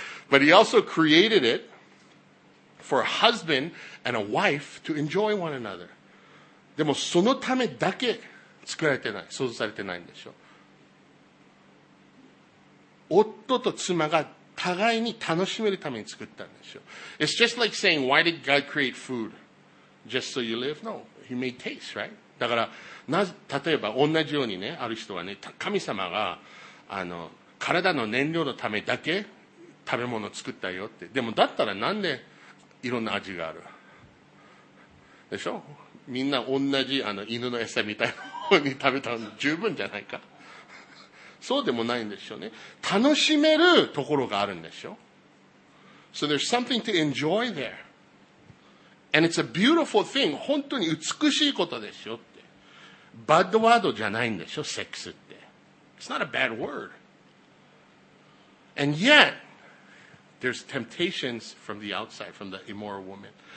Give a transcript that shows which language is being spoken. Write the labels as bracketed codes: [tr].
[en] But he also created it for a husband and a wife to enjoy one another. [ja] でもそのためだけ作られてない、想像されてないんでしょ。夫と妻が互いに楽しめるために作ったんでしょ。 [en] It's just like saying, why did God create food? Just so you live? No, he made taste, right? [ja] だから、例えば同じようにね、ある人はね、神様が体の燃料のためだけ食べ物作ったよって。でもだったらなんでいろんな味があるでしょ。みんな同じ犬の餌みたいなのに食べたの十分じゃないか。そうでもないんでしょうね。楽しめるところがあるんでしょう。 [en] So there's something to enjoy there. And it's a beautiful thing. [ja] 本当に美しいことでしょって。バッドワードじゃないんでしょ、セックスって。 [en] It's not a bad word. And yet, there's temptations from the outside, from the immoral woman.